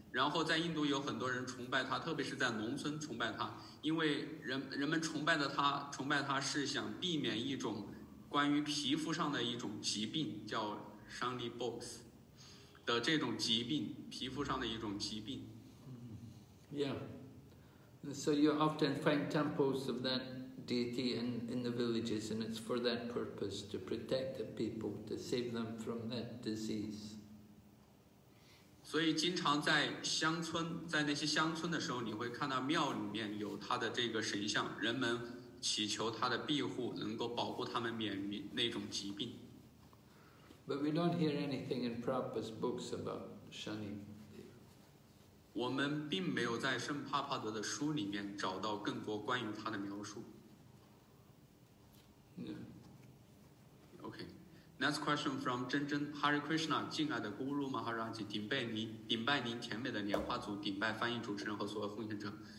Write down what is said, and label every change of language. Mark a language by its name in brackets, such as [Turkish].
[Chinese] 然后在印度有很多人崇拜他，特别是在农村崇拜他，因为 人们崇拜的他，崇拜他是想避免一种关于皮肤上的一种疾病，叫 Shandy Box 的这种疾病，皮肤上的一种疾病。 [English] Yeah, so you often find temples of that deity in the villages, and it's for that purpose, to protect the people, to save them from that disease. [Chinese] 所以经常在乡村，在那些乡村的时候，你会看到庙里面有他的这个神像，人们祈求他的庇护，能够保护他们免于那种疾病。 [English] But we don't hear anything in Prabhupada's books about Shani. [Chinese] 我们并没有在圣帕帕德的书里面找到更多关于他的描述。 [English] Yeah. Okay. Next question from [Chinese] 真真 Hare Krishna, 敬爱的 Guru Maharaj, 顶拜您，顶拜您甜美的莲花组，顶拜翻译主持人和所有奉献者。